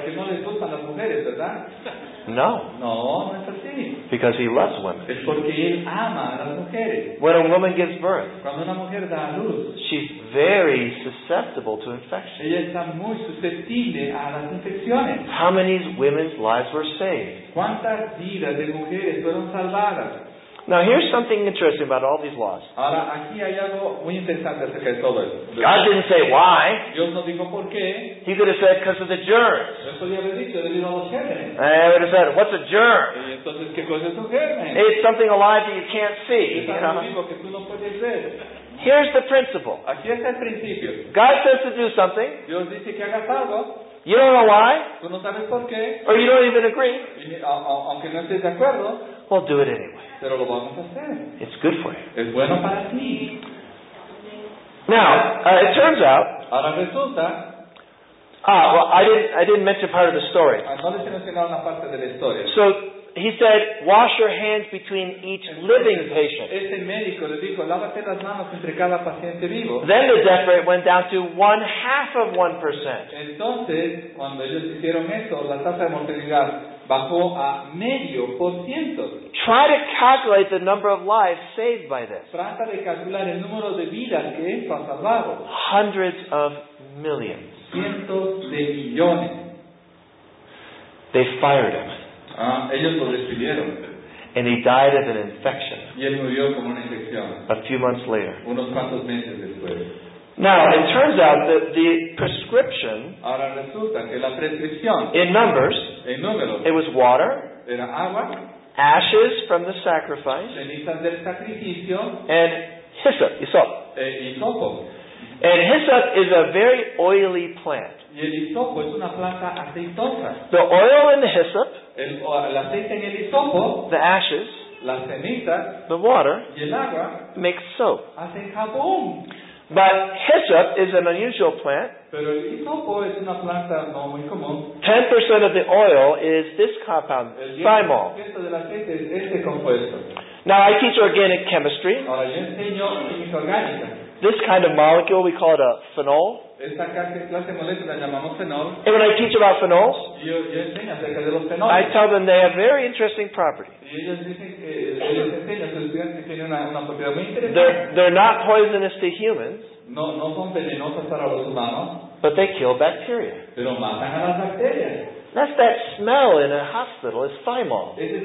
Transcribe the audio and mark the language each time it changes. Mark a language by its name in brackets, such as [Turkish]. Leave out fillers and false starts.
[Spanish] Porque no les gustan las mujeres, ¿verdad? No. No, no es así. [English] Because he loves women. [Spanish] Es porque él ama a las mujeres. [English] When a woman gives birth, [Spanish] cuando una mujer da a luz, [English] she's very susceptible to infection. [Spanish] Ella está muy susceptible a las infecciones. [English] How many women's lives were saved? [Spanish] ¿Cuántas vidas de mujeres fueron salvadas? [English] Now here's something interesting about all these laws. [Spanish] Ahora, aquí hay algo muy interesante acerca de todo esto. [English] God didn't say why. [Spanish] Dios no dijo por qué. [English] He could have said because of the germs. [Spanish] Eso ya le dicho, debido a los gérmenes. [English] And he would have said, what's a germ? [Spanish] Y entonces, ¿qué cosa es un germen? [English] It's something alive that you can't see. [Spanish] Es algo vivo que tú no puedes ver. [English] Here's the principle. [Spanish] Aquí está el principio. [English] God says to do something. [Spanish] Dios dice que hagas algo. [English] You don't know why. [Spanish] Tú no sabes por qué. [English] Or you don't even agree. [Spanish] Aunque no estés de acuerdo. [English] Well, do it anyway. [Spanish] Pero lo vamos a hacer. [English] It's good for you. [Spanish] Es bueno para ti. [English] Now, it turns out. [Spanish] Ahora resulta. [English] I didn't mention part of the story. [Spanish] No les he mencionado una parte de la historia. [English] So he said, wash your hands between each living patient. [Spanish] Este médico le dijo, lávate las manos entre cada paciente vivo. [English] Then the death rate went down to 0.5%. [Spanish] Entonces, cuando ellos hicieron eso, la tasa de mortalidad bajó a 0.5%. [English] Try to calculate the number of lives saved by this. [Spanish] Trata de calcular el número de vidas que esto ha salvado. [English] Hundreds of millions. [Spanish] Cientos de millones. [English] They fired him. [Spanish] Ellos lo despidieron. [English] And he died of an infection. [Spanish] Y él murió con una infección. [English] A few months later. [Spanish] Unos cuantos meses después. [English] Now, it turns out that the prescription, [Spanish] ahora resulta que la prescripción, [English] in numbers, [Spanish] en números, [English] it was water, [Spanish] era agua, [English] ashes from the sacrifice, [Spanish] cenizas del sacrificio, [English] and hyssop, hisop. [Spanish] Hisopo. [English] And hyssop is a very oily plant. [Spanish] Y el hisopo es una planta aceitosa. [English] The oil in the hyssop, [Spanish] el aceite en el hisopo, [English] the ashes, [Spanish] la ceniza, [English] the water, [Spanish] y el agua, [English] makes soap. [Spanish] Hacen jabón. [English] But hyssop is an unusual plant. [Spanish] Pero el hisopo es una planta no muy común. [English] 10% of the oil is this compound, thymol. [Spanish] El 10% del aceite es este compuesto. [English] Now I teach organic chemistry. [Spanish] Ahora yo enseño química orgánica. [English] This kind of molecule we call it a phenol. [Spanish] Esta clase de molécula la llamamos phenol. [English] And when I teach about phenols, [Spanish] yo enseño acerca de los phenoles. [English] I tell them they have very interesting properties. [Spanish] Y ellos enseñan a sus estudiantes que tienen una propiedad muy interesante. [English] They're not poisonous to humans. [Spanish] No, no son venenosas para los humanos. [English] But they kill bacteria. [Spanish] Pero matan a las bacterias. [English] That's that smell in a hospital, is thymol.